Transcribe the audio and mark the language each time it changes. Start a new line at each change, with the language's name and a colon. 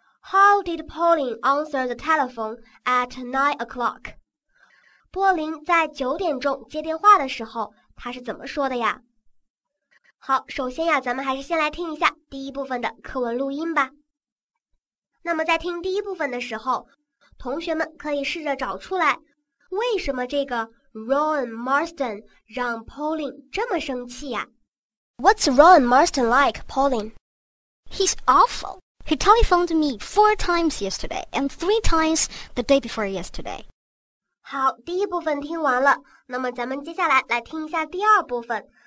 English: How did Pauline answer the telephone at 9 o'clock?
Chinese: 波林在九点钟接电话的时候，他是怎么说的呀？好，首先呀，咱们还是先来听一下第一部分的课文录音吧。那么在听第一部分的时候，同学们可以试着找出来，为什么这个 Ron Marston 让 Pauline 这么生气呀？
English: What's Ron Marston like, Pauline? He's awful. He telephoned me 4 times yesterday and 3 times the day before yesterday.
Chinese: 好，第一部分听完了，那么咱们接下来来听一下第二部分。